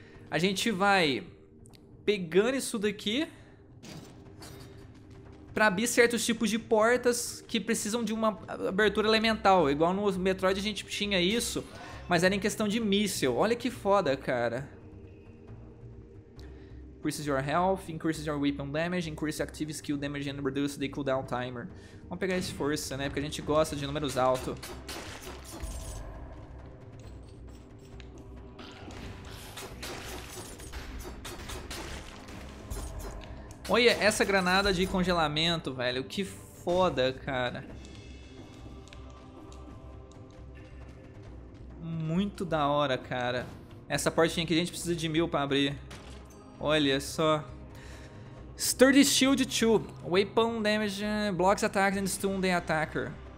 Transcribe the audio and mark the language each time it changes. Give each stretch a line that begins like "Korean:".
Portuguese: A gente vai pegando isso daqui pra abrir certos tipos de portas que precisam de uma abertura elemental. Igual no Metroid a gente tinha isso, mas era em questão de míssil. Olha que foda, cara.
English: Increases your health, increases your weapon damage, increase active skill damage and reduce the cooldown timer.
Portuguese: Vamos pegar esse força, né? Porque a gente gosta de números altos. Olha essa granada de congelamento, velho. Que foda, cara. Muito da hora, cara. Essa portinha aqui a gente precisa de 1000 pra abrir. Olha só. Sturdy Shield 2.
English: Weapon damage blocks attacks and stun the attacker.